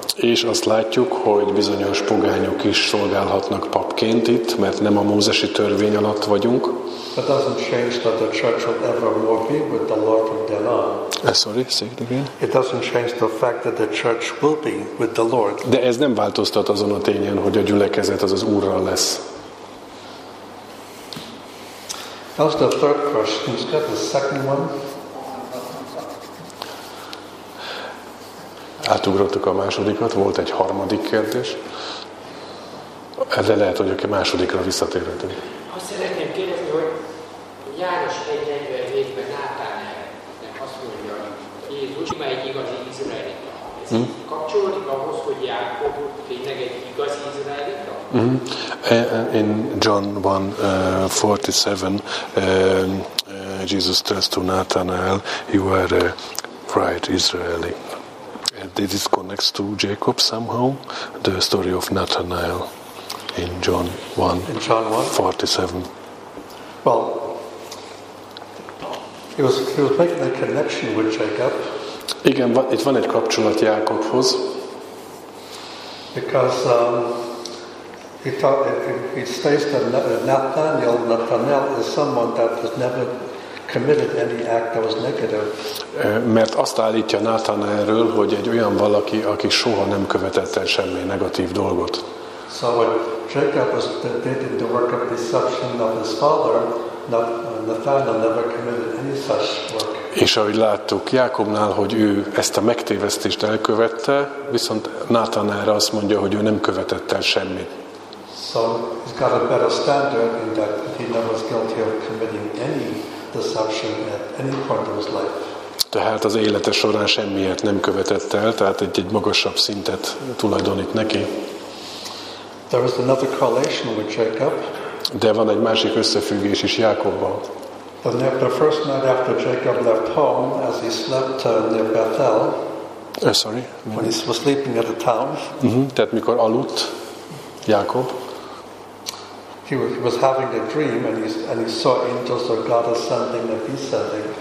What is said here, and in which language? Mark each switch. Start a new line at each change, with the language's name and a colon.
Hungarian: És azt látjuk, hogy bizonyos pogányok is szolgálhatnak papként itt, mert nem a mózesi törvény alatt vagyunk.
English: That doesn't change that the church will ever more be with the Lord from then on. Sorry, say it again. It doesn't change the fact that the church will be with the Lord.
Hungarian: De ez nem változtat azon a tényen, hogy a gyülekezet az Úrral lesz.
English: That's the third question. Is that the second one?
Hungarian: Átugrottuk a másodikat, volt egy harmadik kérdés. Ezzel lehet, hogy a másodikra visszatérhetünk. Azt szeretném kérdezni, hogy János 1.47-ben Nátánelnek azt mondja, hogy Jézus már egy igazi izraelita. Kapcsolódik ahhoz, hogy Jákob tényleg egy igazi izraelita?
English: Mm-hmm. In John 1.47, Jesus tells to Nathanael, you are a right Israeli. This connects to Jacob somehow, the story of Nathanael in John 1:47. Well, he was making a connection with Jacob.
Hungarian: Igen, itt van egy kapcsolat Jákobhoz.
English: Because he states that Nathanael is someone that has never committed any act that was negative.
Hungarian: Mert azt állítja Nátanaelről, hogy egy olyan valaki, aki soha nem követett el semmi negatív dolgot.
English: So when Jacob was dating the work of deception of his father, Nathanael never committed any such work.
Hungarian: És ahogy láttuk Jákobnál, hogy ő ezt a megtévesztést elkövette, viszont Nátanaelre azt mondja, hogy ő nem követett el semmit.
English: So he's got a better standard in that he never was guilty of committing any deception at any point of his life.
Hungarian: Tehát az élete során semmiért nem követett el, tehát egy magasabb szintet tulajdonít neki.
English: There is another correlation with Jacob.
Hungarian: De van egy másik összefüggés is Jákobban.
English: The first night after Jacob left home, as he slept near Bethel. Sorry. When he was sleeping at the town. Mm-hmm.
Hungarian: Tehát mikor aludt Jákob.
English: He was having a dream and he saw angels of God ascending and descending.